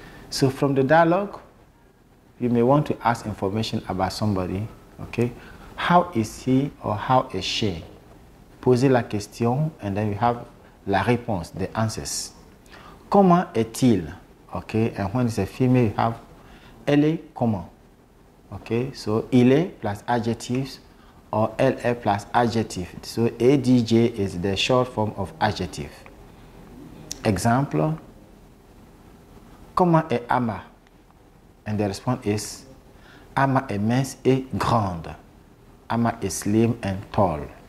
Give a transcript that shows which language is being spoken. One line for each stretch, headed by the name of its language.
English: So from the dialogue, you may want to ask information about somebody, okay? How is he or how is she?
French: Poser la question,
English: and then you have
French: la réponse,
English: the answers.
French: Comment est-il?
English: Okay, and when it's a female, you have
French: elle est comment?
English: Okay, so
French: il est plus
English: adjectives, or
French: elle est plus
English: adjective. So ADJ is the short form of adjective. Example,
French: comment est Ama?
English: And the response is,
French: Ama est mince et grande.
English: Ama is slim and tall.